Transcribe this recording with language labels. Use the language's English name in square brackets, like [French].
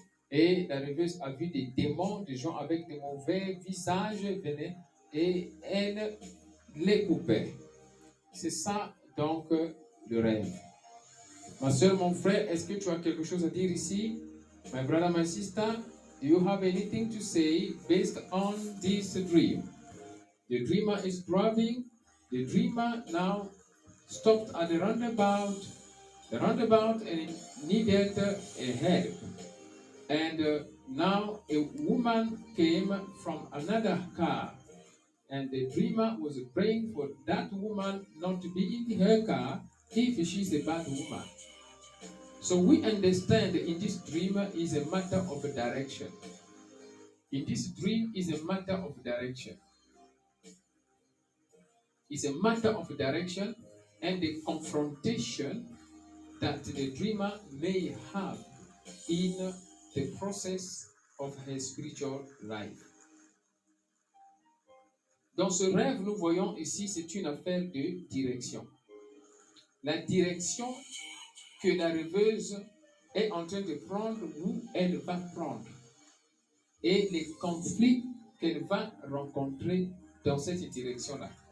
[French] Et la rêveuse a vu des démons, des gens avec des mauvais visages venaient et elles les coupaient. C'est ça, donc, le rêve. Ma soeur, mon frère, est-ce que tu as quelque chose à dire ici? [English] My brother, my sister, do you have anything to say based on this dream? The dreamer is driving. The dreamer now stopped at the roundabout and needed a help. And now a woman came from another car. And the dreamer was praying for that woman not to be in her car if she's a bad woman. So we understand in this dream is a matter of direction. In this dream is a matter of direction. It's a matter of direction and the confrontation that the dreamer may have in the process of her spiritual life. [French] Dans ce rêve, nous voyons ici, c'est une affaire de direction. La direction que la rêveuse est en train de prendre ou elle va prendre et les conflits qu'elle va rencontrer dans cette direction-là.